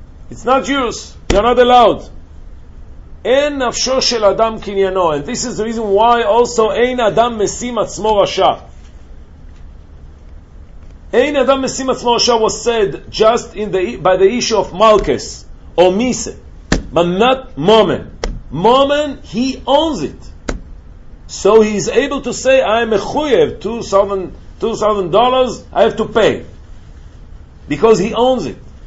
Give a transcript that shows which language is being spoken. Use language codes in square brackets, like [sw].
[en] It's not yours, you're not allowed. [he] אין נפשו של אדם קניינו, [en] and this is the reason why also [he] אין אדם משים עצמו רשע. Ein Adam Mesim Atzmo Rasha [en] was said just by the issue of Malkes or Mise, but not Momen. Momen, he owns it. So he is able to say, I am a Chuyev, $2,000, I have to pay. Because he owns it.